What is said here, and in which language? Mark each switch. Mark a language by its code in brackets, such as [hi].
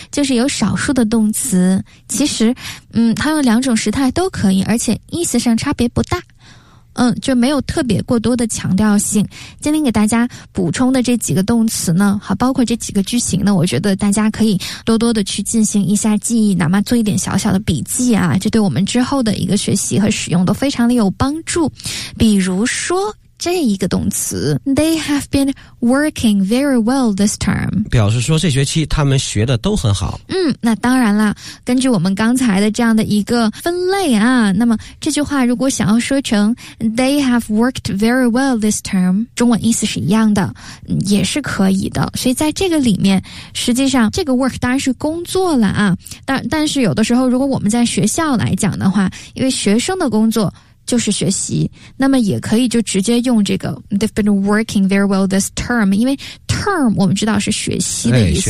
[zh] 就是有少数的动词，其实它用两种时态都可以，而且意思上差别不大，就没有特别过多的强调性。今天给大家补充的这几个动词呢，好，包括这几个句型呢，我觉得大家可以多多的去进行一下记忆，哪怕做一点小小的笔记啊，这对我们之后的一个学习和使用都非常的有帮助。比如说这一个动词 [en] They have been working very well this term， [zh] 表示说这学期他们学的都很好。那当然了，根据我们刚才的这样的一个分类啊，那么这句话如果想要说成 [en] They have worked very well this term， [zh] 中文意思是一样的，也是可以的。所以在这个里面，实际上这个 work 当然是工作了啊，但是有的时候如果我们在学校来讲的话，因为学生的工作就是学习，那么也可以就直接用这个 [en] They've been working very well this term， [zh] 因为 term 我们知道是学习的意思，